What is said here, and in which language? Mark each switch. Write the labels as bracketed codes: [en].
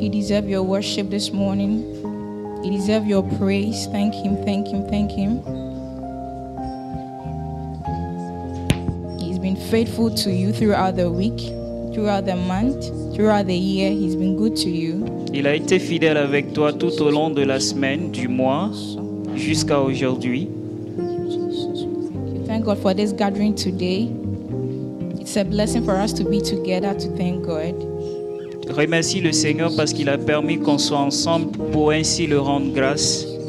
[en] He deserves your worship this morning. He deserves your praise. Thank him, thank him, thank him. He's been faithful to you throughout the week. Throughout the month, throughout the year, he's been good to you. [fr] Il a été fidèle avec toi tout au long de la semaine, du mois, jusqu'à aujourd'hui. [en] Thank God for this gathering today. It's a blessing for us to be together to thank God. [fr] Remercie le Seigneur parce qu'il a permis qu'on soit ensemble pour ainsi le rendre grâce.